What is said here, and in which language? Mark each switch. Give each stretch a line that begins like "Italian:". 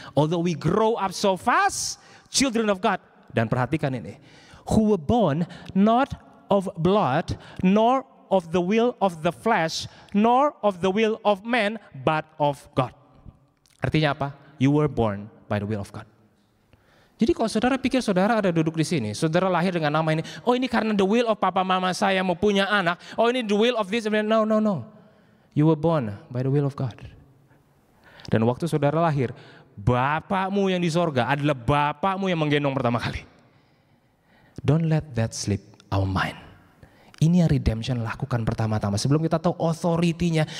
English: Although we grow up so fast, children of God.
Indonesian: Dan perhatikan ini.
English: Who were born not of blood, nor of the will of the flesh, nor of the will of man, but of God.
Indonesian: Artinya apa?
English: You were born by the will of God.
Indonesian: Jadi kalau saudara pikir saudara ada duduk di sini, saudara lahir dengan nama ini, oh ini karena
English: the will of
Indonesian: papa mama saya mau punya anak, oh ini
English: the will of this, no. You were born by the will of God.
Indonesian: Dan waktu saudara lahir, bapakmu yang di sorga adalah bapakmu yang menggendong pertama kali.
English: Don't let that slip our mind.
Indonesian: Ini yang redemption lakukan pertama-tama. Sebelum kita tahu authority-nya,